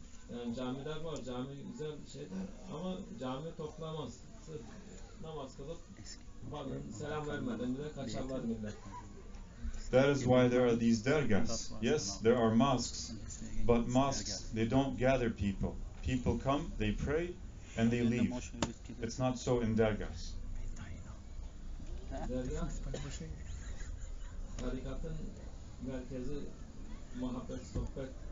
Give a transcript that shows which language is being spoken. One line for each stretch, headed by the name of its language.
Turkish: Yani camiler var, cami güzel şeyler ama cami toplamaz. Sırf namaz kılıp bakın selam vermeden bile kaçarlar millet.
English: That is why there are these dergahs. Yes, there are mosques, but mosques, they don't gather people. People come, they pray, and they leave. It's not so in dergahs.
Turkish: Dergah, tarikatın merkezi muhabbet, sohbet.